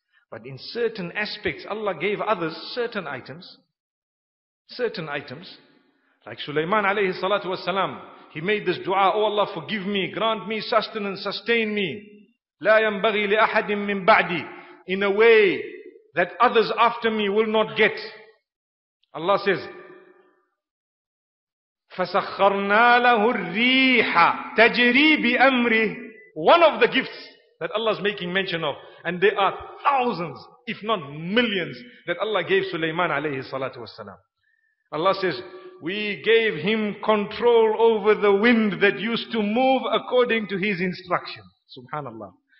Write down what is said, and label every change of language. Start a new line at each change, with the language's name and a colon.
English: But in certain aspects, Allah gave others certain items. Certain items. Like Sulaiman alayhi salatu was salam. He made this dua. Oh Allah, forgive me. Grant me sustenance. Sustain me.
Arabic: La yanbaghi li ahadin min ba'di.
English: In a way that others after me will not get. Allah says,
Arabic: فَسَخَّرْنَا لَهُ الرِّيحَ تَجْرِي بِأَمْرِهِ.
English: One of the gifts that Allah is making mention of. And there are thousands, if not millions, that Allah gave Sulaiman alayhi salatu wasalam. Allah says, we gave him control over the wind that used to move according to his instruction. Subhanallah.